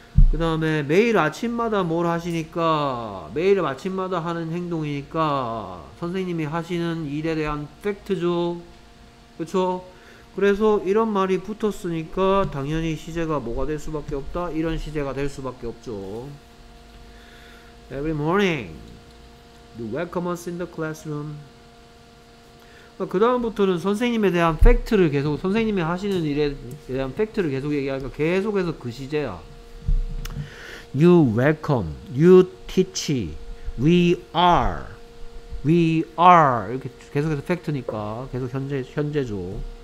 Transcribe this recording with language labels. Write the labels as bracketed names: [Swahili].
[Korean] 그 다음에 매일 아침마다 뭘 하시니까 매일 아침마다 하는 행동이니까 선생님이 하시는 일에 대한 팩트죠. 그쵸? 그래서 이런 말이 붙었으니까 당연히 시제가 뭐가 될 수밖에 없다? 이런 시제가 될 수밖에 없죠. [English] Every morning, you welcome us in the classroom. [Korean] 그 다음부터는 선생님에 대한 팩트를 계속, 선생님이 하시는 일에 대한 팩트를 계속 얘기하니까 계속해서 그 시제야. [English] You welcome, you teach, we are [Korean] 이렇게 계속해서 팩트니까 계속 현재죠.